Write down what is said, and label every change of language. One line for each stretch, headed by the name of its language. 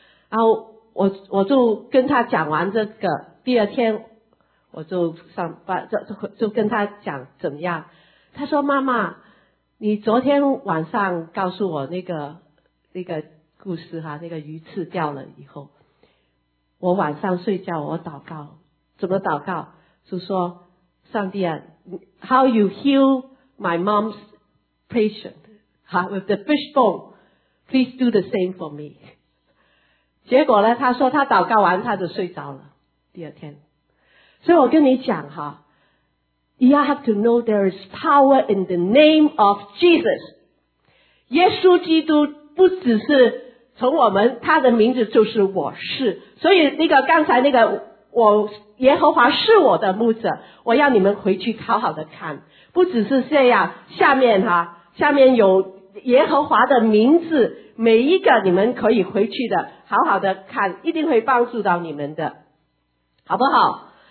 Chinese: 然后我就跟她讲完这个，第二天我就上班，就跟她讲怎么样。她说妈妈，你昨天晚上告诉我那个故事哈，那个鱼刺掉了以后，我晚上睡觉我祷告，怎么祷告？就说上帝啊，
English: How you heal my mom's patient with the fishbone, please do the same for me.
Chinese: 结果呢，他说他祷告完他就睡着了第二天。所以我跟你讲哈，
English: You have to know there is power in the name of Jesus.
Chinese: 耶稣基督不只是从我们，他的名字就是我是。所以那个刚才那个我耶和华是我的牧者，我要你们回去好好的看，不只是这样，下面有耶和华的名字，每一个你们可以回去的好好的看，一定会帮助到你们的，好不好？